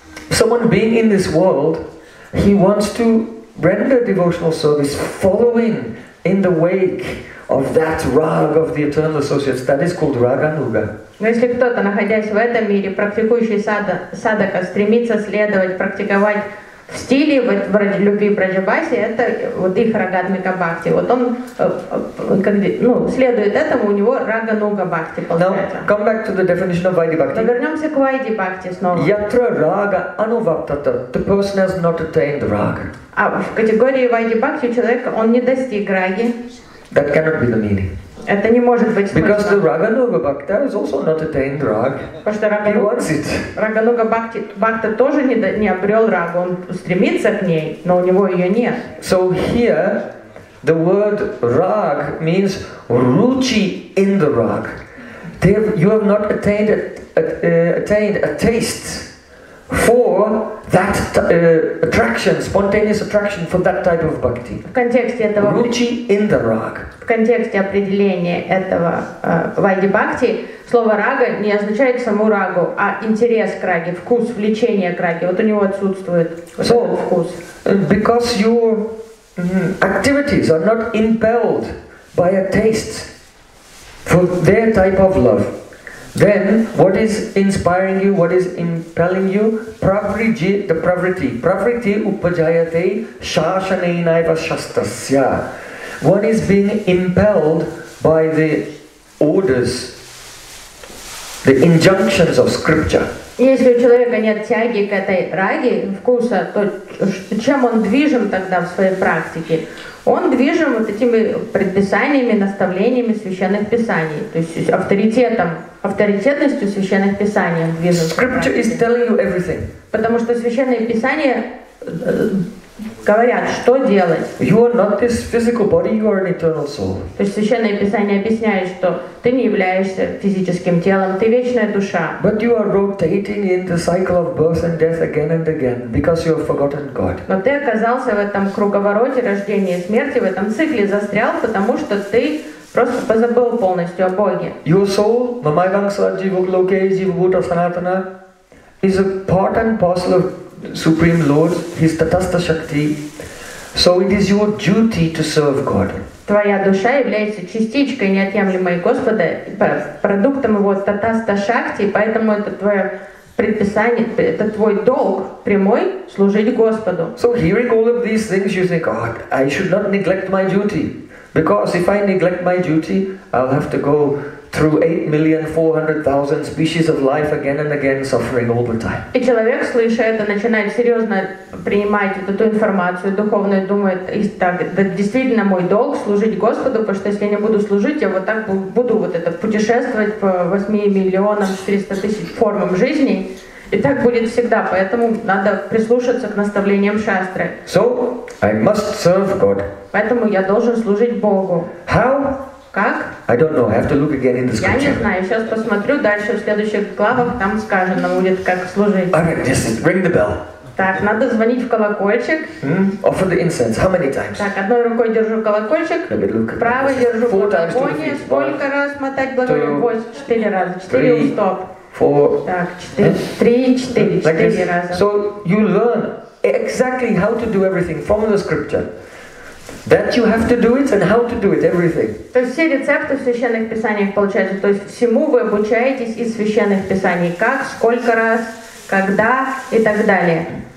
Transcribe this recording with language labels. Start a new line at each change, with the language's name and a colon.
English: Someone being in this world, he wants to render devotional service following in the wake of that rag of the eternal associates. That is called raganuga.
Russian: Но если кто-то, находясь в этом мире, практикующий садака, стремится следовать, практиковать в стиле вот любви Браджабаси, это вот их рагатмика бхакти. Вот он следует этому, у него рагануга бхакти получается.
English: Now, come back to the definition of Vaidhi-Bhakti.
Russian: Но вернемся к Vaidhi-Bhakti снова.
Sanskrit: Yatra raga anuvaptata.
English: The person has not attained raga.
Russian: А в категории Vaidhi-Bhakti человек, он не достиг раги.
English: That cannot be the meaning.
Russian: Это не может быть.
English: Because the Raganuga Bhakta is also not attained rag.
Russian: Потому что Raganuga Bhakta тоже не обрел рагу. Он стремится к ней, но у него ее нет.
English: So here the word rag means ruchi in the rag. You have not attained a taste for that attraction, spontaneous attraction for that type of bhakti.
Russian: В контексте этого
English: ruchi in the rag.
Russian: В контексте определения этого Vaidhi-Bhakti слово рага не означает саму рагу, а интерес к раге, вкус, влечение к раге. Вот у него отсутствует вот
English: so,
Russian: этот вкус.
English: Because you activities are not impelled by a taste for their type of love, then what is inspiring you, what is impelling you?
Sanskrit: Pravriji, the pravriti. Pravriti upajayate shashanenaiva shastasya.
English: One is being impelled by the orders, the injunctions of scripture.
Russian: Если у человека нет тяги к этой раге, вкуса, то чем он движим тогда в своей практике? Он движим вот этими предписаниями, наставлениями священных писаний, то есть авторитетом, авторитетностью священных писаний он движим.
English: Scripture is telling you everything.
Russian: Потому что священные писания говорят, что делать.
English: You are not this physical body, you are an eternal soul.
Russian: То есть священное писание объясняет, что ты не являешься физическим телом, ты вечная душа.
English: But you are rotating in the cycle of birth and death again and again because you have forgotten God.
Russian: Но ты оказался в этом круговороте рождения и смерти, в этом цикле застрял, потому что ты просто позабыл полностью о Боге.
English: Your soul,
Sanskrit: mamaivangsaji vuklokeji vuta sanatana,
English: is a part and parcel of Supreme Lord, His Tatastha Shakti. So it is your duty to serve God.
Russian: Твоя душа является частичкой неотъемлемой Господа, продуктом Его Tatastha Shakti, поэтому это твое предписание, это твой долг прямой служить Господу.
English: So hearing all of these things, you think, God, I should not neglect my duty. Because if I neglect my duty, I'll have to go through 8,400,000 species of life again and again, suffering all the time.
Russian: И человек, слыша это, начинает серьезно принимать эту информацию духовную, думает, так, это действительно мой долг служить Господу, потому что если я не буду служить, я вот так буду вот это путешествовать по 8,400,000 формам жизни, и так будет всегда, поэтому надо прислушаться к наставлениям шастры.
English: So, I must serve God.
Russian: Поэтому я должен служить Богу.
English: How?
Russian: Как?
English: I don't know. I have to look again in the scripture.
Russian: Я не знаю. Сейчас посмотрю дальше в следующих главах. Там сказано будет, как служить.
English: Okay, listen. Ring the bell.
Russian: Так, надо звонить в колокольчик. Offer the incense. How many times? Так, одной рукой держу колокольчик. Правой держу благовоние. Сколько раз мотать благовоние? 8. 4 раза. 4 у стоп. 4. Так, 4 раза.
English: So you learn exactly how to do everything from the scripture. That you have to do it and how to do it, everything.
Russian: То есть все рецепты в священных писаниях получаете. То есть всему вы обучаетесь из священных писаний. Как, сколько раз, когда и так далее.